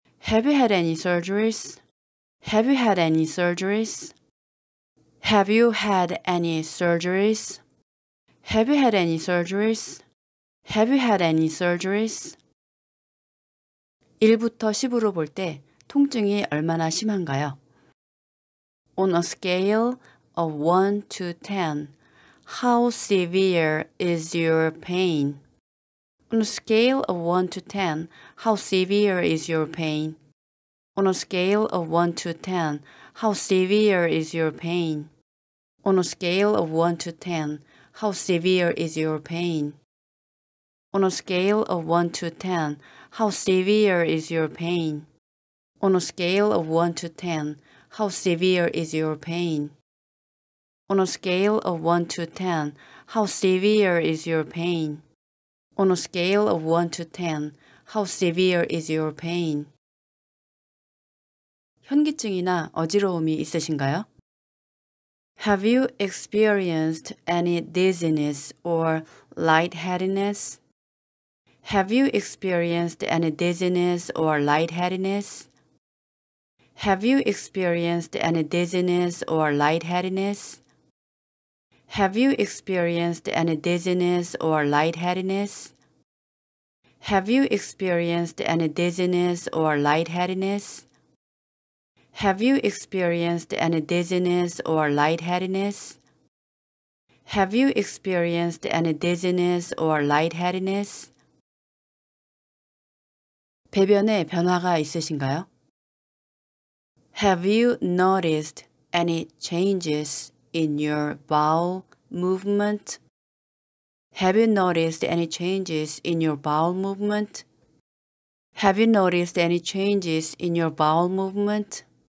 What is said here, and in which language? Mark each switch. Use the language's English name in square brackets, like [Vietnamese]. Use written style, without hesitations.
[English] Have you had any surgeries? Have you had any surgeries? Have you had any surgeries? Have you had any surgeries? Have you had any surgeries? [Korean] 1부터 10으로 볼 때 통증이 얼마나 심한가요? [English] On a scale of 1 to 10, how severe is your pain? On a scale of 1 to 10, how severe is your pain? On a scale of 1 to 10, how severe is your pain? On a scale of 1 to 10, how severe is your pain? On a scale of 1 to 10, how severe is your pain? On a scale of 1 to 10, how severe is your pain? On a scale of 1 to 10, how severe is your pain? On a scale of 1 to 10, how severe is your pain? [Korean] 현기증이나 어지러움이 있으신가요? [English] Have you experienced any dizziness or lightheadedness? Have you experienced any dizziness or lightheadedness? Have you experienced any dizziness or lightheadedness? Have you experienced any dizziness or lightheadedness? Have you experienced any dizziness or lightheadedness? Have you experienced any dizziness or lightheadedness? Have you experienced any dizziness or lightheadedness? [Korean] 배변에 변화가 있으신가요? [English] Have you noticed any changes in your bowel movement? Have you noticed any changes in your bowel movement? Have you noticed any changes in your bowel movement?